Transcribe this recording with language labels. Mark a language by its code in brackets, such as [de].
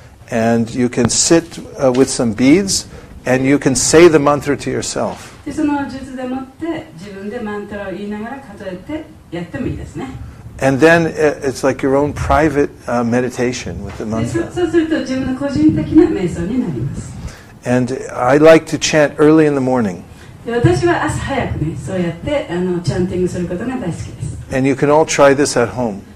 [en] And you can sit with some beads, and you can say the mantra to yourself. [ja] で、その術でもって、自分でマントラを言いながら数えてやってもいいですね。 [en] And then it's like your own private meditation with the mantra. And I like to chant early in the morning. And you can all try this at home.